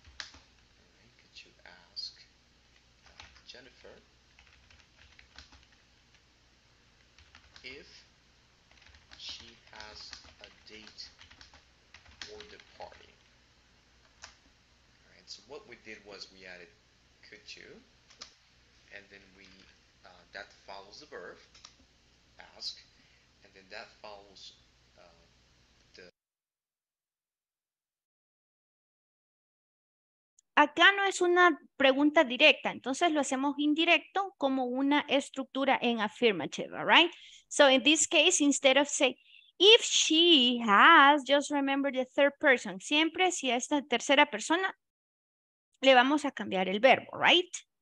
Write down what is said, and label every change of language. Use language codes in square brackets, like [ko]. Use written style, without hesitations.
[en] Could you ask Jennifer if she has a date for the party? All right, so what we did was we added could you, and then we that follows the verb ask, and then that follows the [es] acá no es una pregunta directa, entonces lo hacemos indirecto como una estructura en affirmative. [en] All right, so in this case, instead of say if she has, just remember the third person. [es] Siempre si es la tercera persona, le vamos a cambiar el verbo, right?